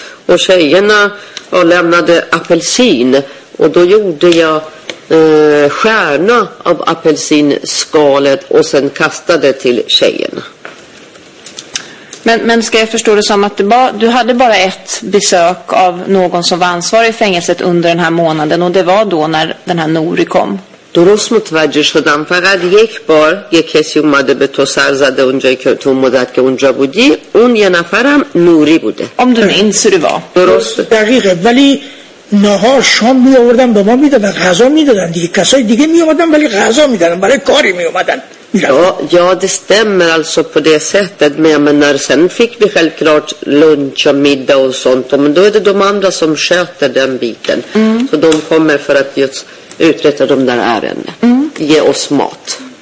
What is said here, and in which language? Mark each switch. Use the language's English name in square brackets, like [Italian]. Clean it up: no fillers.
[Swedish] Och tjejerna och lämnade apelsin. Och då gjorde jag stjärna av apelsinskalet och sen kastade till tjejerna. Men ska jag förstå det som att du hade bara ett besök av någon som var ansvarig i fängelset under den här månaden. Och det var då när den här Nuri kom. [Persian] درست متوجه شدم فقط یک بار یک کسی اومده به تو سر زده اونجایی که تو مدت که اونجا بودی اون یه نفرم نوری بوده ام دونه این سروا درست دقیقه ولی نهار شام می آوردن به ما می دادن غذا می دادن دیگه کسای دیگه می آوردن ولی غذا می دادن برای کاری می آوردن [Swedish] Ja, det stämmer alltså på det sättet. Men när sen fick vi självklart lunch och middag och sånt. Men då är det de andra som sköter den biten. Mm. Så de kommer för att just uträtta de där ärenden. Mm. Ge oss mat.